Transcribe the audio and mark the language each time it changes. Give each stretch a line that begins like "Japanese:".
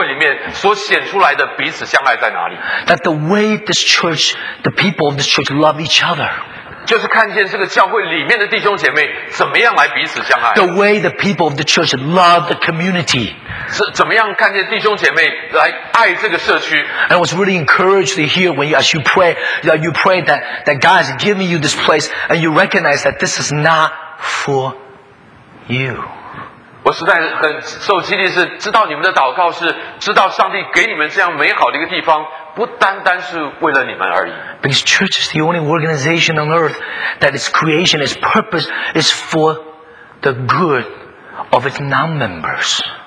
Chinese: 但是你如果真正要了解一个教会，你必须要真正看见这个教会里面所显出来的彼此相爱在哪里。
English: That the way this church, the people of this church love each other.
Chinese: 就是看见这个教会里面的弟兄姐妹怎么样来彼此相爱。
English: The way the people of the church love the community.
Chinese: 是怎么样看见弟兄姐妹来爱这个社区。
English: And I was really encouraged to hear when you, as you pray that God has given you this place and you recognize that this is not for you.
Chinese: 我实在很受激励，是知道你们的祷告是知道上帝给你们这样美好的一个地方，不单单是为了你们而已。
English: Because church is the only organization on earth that its creation, its purpose is for the good of its non-members.